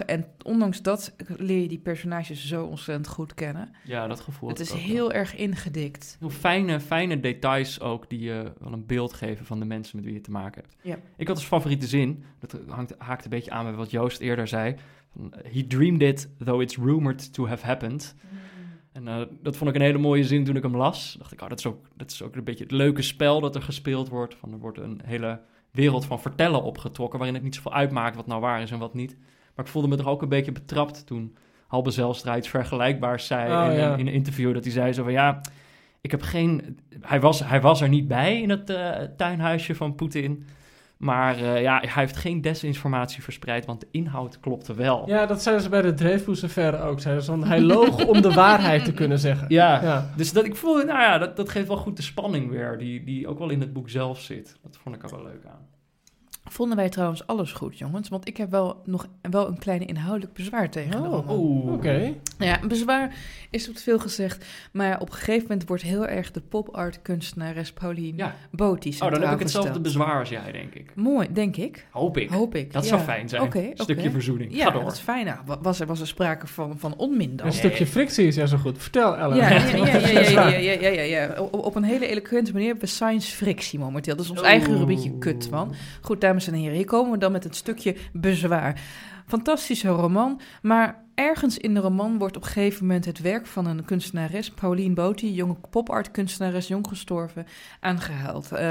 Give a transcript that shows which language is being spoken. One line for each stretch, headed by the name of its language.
Dutch: En ondanks dat leer je die personages zo ontzettend goed kennen. Ja, dat gevoel. Het is heel erg ingedikt. Heel fijne, fijne details ook die je wel een beeld geven van de mensen met wie je te maken hebt. Ja. Ik had als favoriete zin, dat haakt een beetje aan bij wat Joost eerder zei.
English: He dreamed it, though it's rumored to have happened.
Dutch: En dat vond ik een hele mooie zin toen ik hem las. Dacht ik, oh, dat is ook een beetje het leuke spel dat er gespeeld wordt. Van, er wordt een hele wereld van vertellen opgetrokken, waarin het niet zoveel uitmaakt wat nou waar is en wat niet. Maar ik voelde me toch ook een beetje betrapt toen Halbe Zijlstra iets vergelijkbaars zei in een interview. Dat hij zei zo van, ja, ik heb geen... Hij was er niet bij in het tuinhuisje van Poetin. Maar hij heeft geen desinformatie verspreid, want de inhoud klopte wel. Ja, dat zeiden ze bij de Dreyfus-affaire ook. Zeiden ze, want hij loog om de waarheid te kunnen zeggen. Ja, ja. Dus dat ik voel, nou ja, dat geeft wel goed de spanning weer, die ook wel in het boek zelf zit. Dat vond ik er wel leuk aan. vonden wij trouwens alles goed, jongens. Want ik heb wel nog wel een kleine inhoudelijk bezwaar tegen de roman. Oké. Ja, bezwaar is op veel gezegd. Maar op een gegeven moment wordt heel erg de pop-art kunstenares Pauline Boti centraal gesteld. Oh, dan heb ik hetzelfde bezwaar als jij, denk ik. Mooi, denk ik. Hoop ik. Dat zou fijn zijn. Oké. Stukje verzoening. Ja, ga door. Dat is fijn. Nou, was er sprake van onmin dan? Een stukje frictie is zo goed. Vertel, Ellen. Ja. Op een hele eloquente manier hebben we science frictie momenteel. Dat is ons eigen rubriekje kut, man. Goed, dames en heren, hier komen we dan met het stukje bezwaar. Fantastische roman, maar ergens in de roman wordt op een gegeven moment het werk van een kunstenares, Pauline Boti, jonge pop-art kunstenares, jong gestorven, aangehaald.